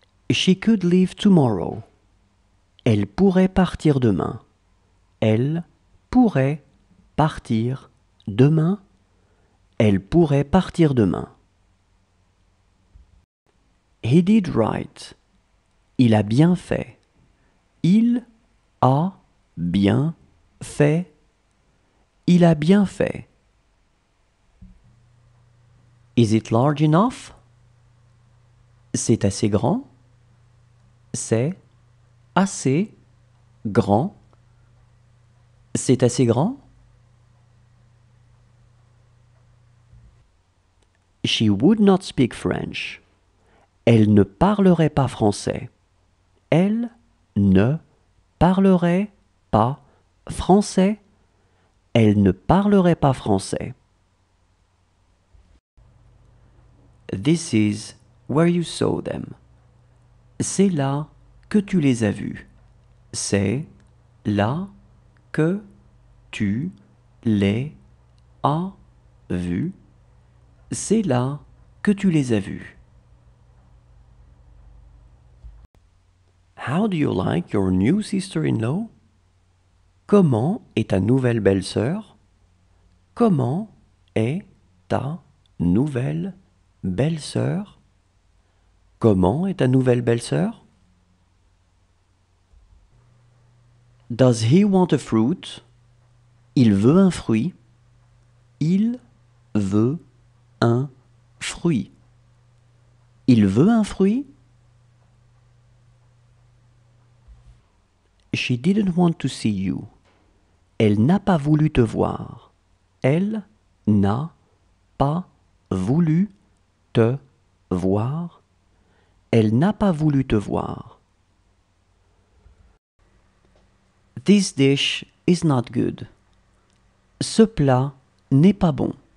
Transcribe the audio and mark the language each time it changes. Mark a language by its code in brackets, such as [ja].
[en] She could leave tomorrow. [fr] Elle pourrait partir demain. Elle pourrait partir demain. Elle pourrait partir demain. [en] He did right. [fr] Il a bien fait. Il a bien fait. Il a bien fait. [en] Is it large enough? [fr] C'est assez grand? C'est assez grand? C'est assez grand? [en] She would not speak French. [fr] Elle ne parlerait pas français. Elle ne parlerait pas français. Elle ne parlerait pas français. [en] This is where you saw them. [fr] C'est là que tu les as vus. C'est là que tu les as vus. C'est là que tu les as vus. [en] How do you like your new sister-in-law? [fr] Comment est ta nouvelle belle-sœur? Comment est ta nouvelle belle-sœur? Comment est ta nouvelle belle-sœur? [en] Does he want a fruit? [fr] Il veut un fruit. Il veut un fruit. Il veut un fruit. [en] She didn't want to see you. [fr] Elle n'a pas voulu te voir. Elle n'a pas voulu te voir. Elle n'a pas voulu te voir. [en] This dish is not good. [fr] Ce plat n'est pas bon.